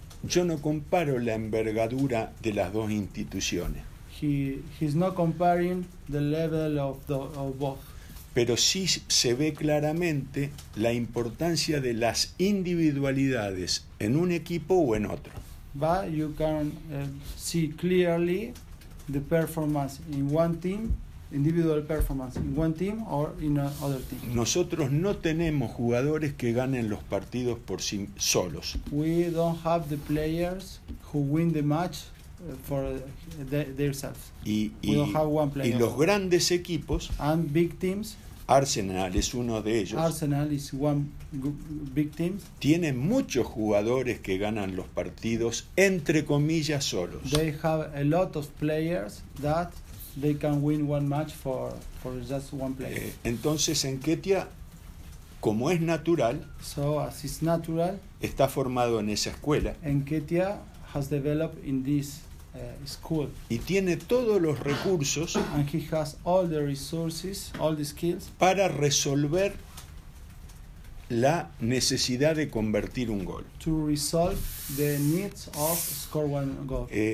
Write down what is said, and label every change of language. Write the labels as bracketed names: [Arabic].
[Spanish] Yo no comparo la envergadura de las dos instituciones. [English] He's not comparing the level of both. [Spanish] Pero sí se ve claramente la importancia de las individualidades en un equipo o en otro. [English] But you can see clearly the performance in one team, individual performance in one team or in another team. [Spanish] Nosotros no tenemos jugadores que ganen los partidos por sí solos. [English] We don't have the players who win the match for themselves. We don't have one player. [Spanish] Y los grandes equipos, [English] and big teams, [Spanish] Arsenal es uno de ellos. [English] Arsenal is one big team. [Spanish] Tiene muchos jugadores que ganan los partidos entre comillas solos. [English] They have a lot of players that they can win one match for just one player. [Spanish] Entonces Nketiah, como es natural, [English] so as it's natural, [Spanish] está formado en esa escuela. [English] Nketiah has developed in this school. [Spanish] Y tiene todos los recursos, [English] and he has all the resources, all the skills, [Spanish] para resolver la necesidad de convertir un gol. [English] To resolve the needs of score one goal.